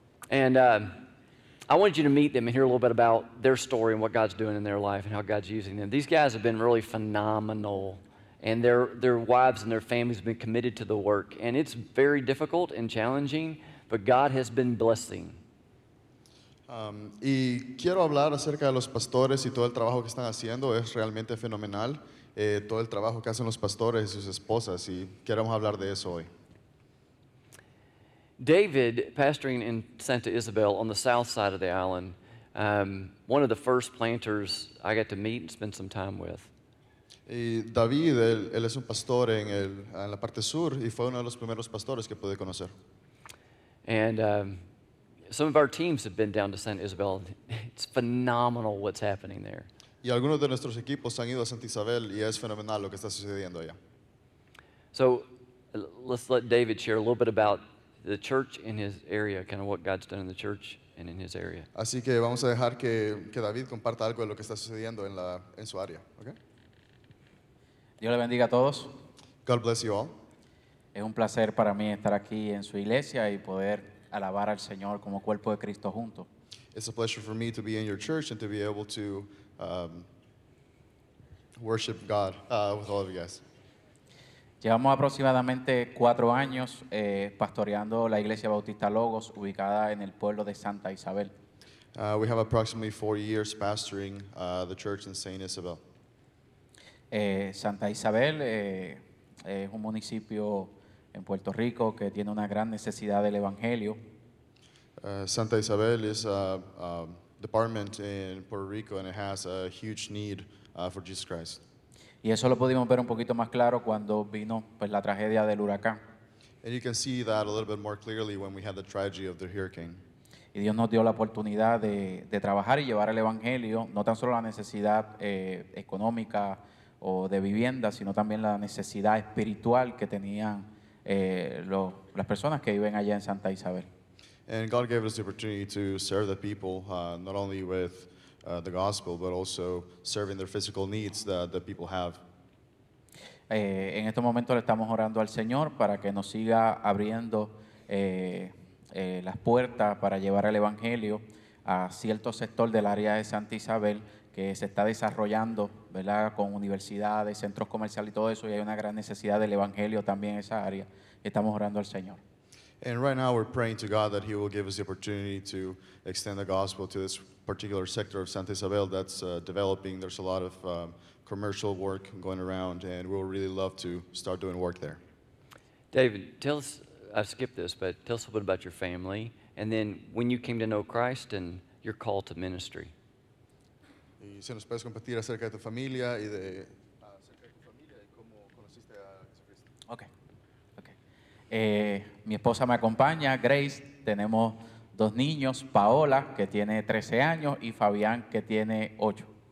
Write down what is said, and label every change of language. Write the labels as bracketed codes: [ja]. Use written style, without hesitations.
[en] And I wanted you to meet them and hear a little bit about their story and what God's doing in their life and how God's using them. These guys have been really phenomenal, and their wives and their families have been committed to the work. And it's very difficult and challenging, but God has been blessing. [es] Y quiero hablar acerca de los pastores y todo el trabajo que están haciendo. Es realmente fenomenal todo el trabajo que hacen los pastores y sus esposas, y queremos hablar de eso hoy. [en] David, pastoring in Santa Isabel on the south side of the island, one of the first planters I got to meet and spend some time with. [es] Y David, él es un pastor en la parte sur, y fue uno de los primeros pastores que pude conocer. [en] And some of our teams have been down to Santa Isabel. It's phenomenal what's happening there. [es] Y algunos de nuestros equipos han ido a Santa Isabel, y es fenomenal lo que está sucediendo allá. [en] So let's let David share a little bit about the church in his area, kind of what God's done in the church and in his area. [es] Así que vamos a dejar que David comparta algo de lo que está sucediendo en su área, ¿okay? Dios le bendiga a todos. [en] God bless you all. [es] Es un placer para mí estar aquí en su iglesia y poder alabar al Señor como cuerpo de Cristo junto. [en] It's a pleasure for me to be in your church and to be able to worship God with all of you guys. [es] Llevamos aproximadamente 4 años pastoreando la Iglesia Bautista Logos, ubicada en el pueblo de Santa Isabel. [en] We have approximately 4 years pastoring the church in Saint Isabel. [es] Santa Isabel es un municipio en Puerto Rico que tiene una gran necesidad del Evangelio. [en] Santa Isabel is a department in Puerto Rico, and it has a huge need for Jesus Christ. [es] Y eso lo pudimos ver un poquito más claro cuando vino pues la tragedia del huracán. [en] And you can see that a little bit more clearly when we had the tragedy of the hurricane. [es] Y Dios nos dio la oportunidad de trabajar y llevar el evangelio, no tan solo la necesidad económica o de vivienda, sino también la necesidad espiritual que tenían las personas que viven allá en Santa Isabel. [en] And God gave us the opportunity to serve the people not only with the gospel, but also serving their physical needs that people have. [es] En este momento le estamos orando al Señor para que nos siga abriendo las puertas para llevar el evangelio a cierto sector del área de Santa Isabel que se está desarrollando, ¿verdad? Con universidades, centros comerciales y todo eso, y hay una gran necesidad del evangelio también en esa área. Estamos orando al Señor. [en] And right now we're praying to God that he will give us the opportunity to extend the gospel to this particular sector of Santa Isabel that's developing. There's a lot of commercial work going around, and we would really love to start doing work there. David, tell us, I skipped this, but tell us a little bit about your family, and then when you came to know Christ and your call to ministry. [es] Y si nos puedes compartir acerca de tu familia y de cómo conociste a Jesucristo. Okay. Mi esposa me acompaña, Grace. Tenemos dos niños, Paola, que tiene 13 años, y Fabián, que tiene 8.